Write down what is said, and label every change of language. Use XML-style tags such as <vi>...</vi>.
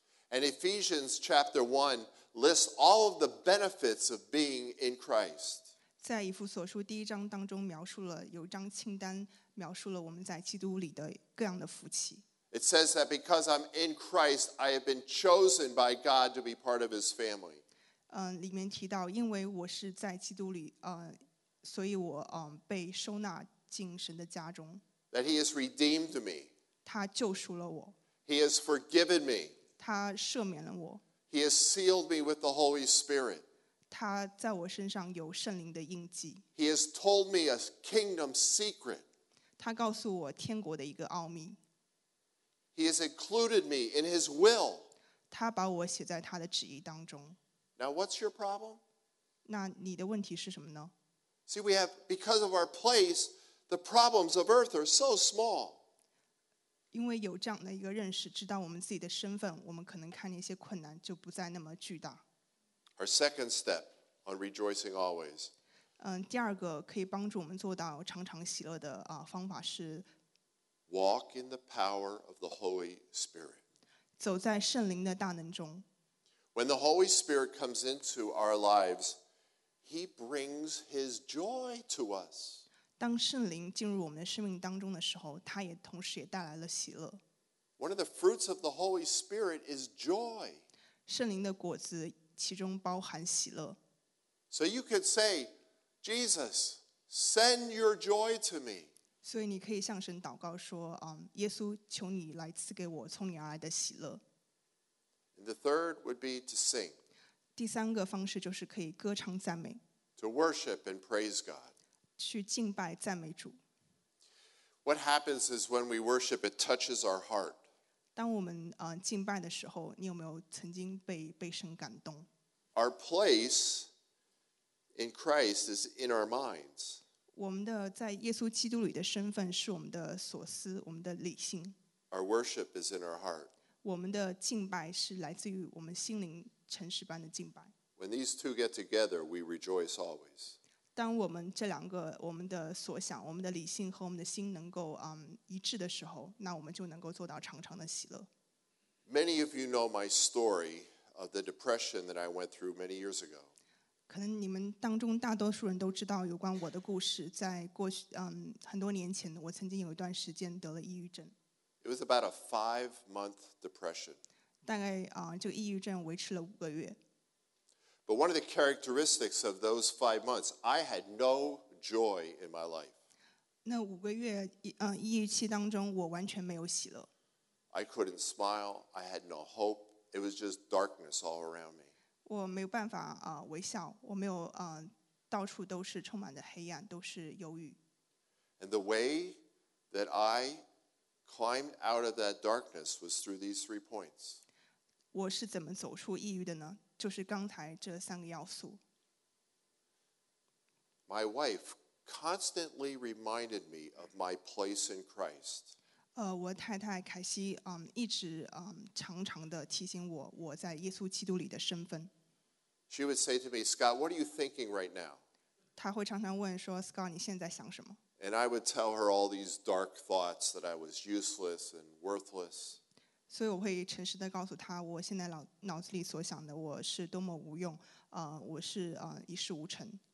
<en>And Ephesians chapter 1 lists all of the benefits of being in Christ.</en> <zh>在以弗所书第一章当中描述了有一张清单描述了我们在基督里的各样的福气。</zh> <en>It says that because I'm in Christ, I have been chosen by God to be part of his family.</en> <zh>里面提到因为我是在基督里所以我被收纳进神的家中。</zh> <en>That he has redeemed me.</en> <zh>他救赎了我。</zh> <en>He has forgiven me.</en> <zh>他赦免了我。</zh> <en>He has sealed me with the Holy Spirit.</en> <zh>他在我身上有圣灵的印记。</zh> <en>He has told me a kingdom secret.</en> <zh>他告诉我天国的一个奥秘。</zh> <en>He has included me in his will.</en> <zh>他把我写在他的旨意当中。</zh> <en>Now what's your problem?</en> <zh>那你的问题是什么呢？</zh> <en>See, we have, because of our place, the problems of earth are so small.</en> <zh>因为有这样的一个认识，知道我们自己的身份，我们可能看那些困难就不再那么巨大。</zh> <en>Our second step on rejoicing always.</en> <zh>第二个可以帮助我们做到常常喜乐的方法是</zh> <en>Walk in the power of the Holy Spirit.</en> <zh>走在圣灵的大能中。</zh> <en>When the Holy Spirit comes into our lives, he brings his joy to us.</en> <zh>当圣灵进入我们的生命当中的时候，他也同时也带来了喜乐。</zh> <en>One of the fruits of the Holy Spirit is joy.</en> <zh>圣灵的果子其中包含喜乐。</zh> <en>So you could say, Jesus, send your joy to me.</en> <zh>所以你可以向神祷告说，耶稣，求你来赐给我从你而来的喜乐。</zh> <en>And the third would be to sing.</en> <zh>第三个方式就是可以歌唱赞美。</zh> <en>To worship and praise God.</en> <zh>去敬拜赞美主。</zh> <en>What happens is when we worship, it touches our heart.</en> <zh>当我们敬拜的时候，你有没有曾经被神感动？</zh> <en>Our place in Christ is in our minds.</en> <zh>我们的在耶稣基督里的身份是我们的所思，我们的理性。</zh> <en>Our worship is in our heart.</en> <zh>我们的敬拜是来自于我们心灵诚实般的敬拜。</zh> <en>When these two get together, we rejoice always.</en> <zh>当我们这两个，我们的所想，我们的理性和我们的心能够一致的时候，那我们就能够做到常常的喜乐。</zh> <en>Many of you know my story of the depression that I went through many years ago.</en> <zh>可能你们当中大多数人都知道有关我的故事，在过去很多年前，我曾经有一段时间得了抑郁症。</zh> <en>It was about a 5-month depression.</en> <zh>大概这个抑郁症维持了五个月。</zh> <en>But one of the characteristics of those 5 months, I had no joy in my life.</en> <zh>那五个月抑郁期当中，我完全没有喜乐。</zh> <en>I couldn't smile. I had no hope. It was just darkness all around me.</en> <zh>我没有办法微笑，我没有到处都是充满的黑暗，都是忧郁。</zh> <en>And the way that I climbed out of that darkness was through these 3 points.</en> <zh>我是怎么走出抑郁的呢？就是刚才这三个要素。</zh> <en>My wife constantly reminded me of my place in Christ.</en> <zh>我太太凯西一直常常的提醒我，我在耶稣基督里的身份。</zh> <en>She would say to me, Scott, what are you thinking right now?</en> <zh>她会常常问说 ，Scott， 你现在想什么</zh> <en>？And I would tell her all these dark thoughts that I was useless and worthless.</en> <zh>所以我会诚实地告诉她，我现在脑子里所想的，我是多么无用，我是一事无成。</zh>